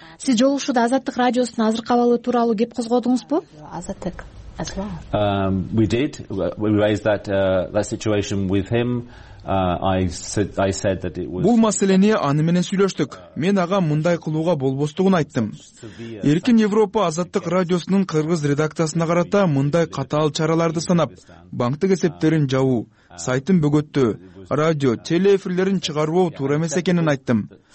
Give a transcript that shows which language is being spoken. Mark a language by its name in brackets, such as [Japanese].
[Kyrgyz] Сиз жолугушууда Азаттык радиосунун азыркы абалы тууралуу кеп козгодуңузбу? Азаттык. [English] We did. We raised that situation with him. I said that it was [Kyrgyz] Бул маселени аны менен сүйлөштүк. Мен ага мындай кылууга болбостугун айттым. Эркин Европа Азаттык радиосунун кыргыз редакциясына карата мындай катаал чараларды санап, банктык эсептерин жабуу, сайтын бөгөттөө, радио, телеэфирлерин чыгаруу туура эмес экенин айттым.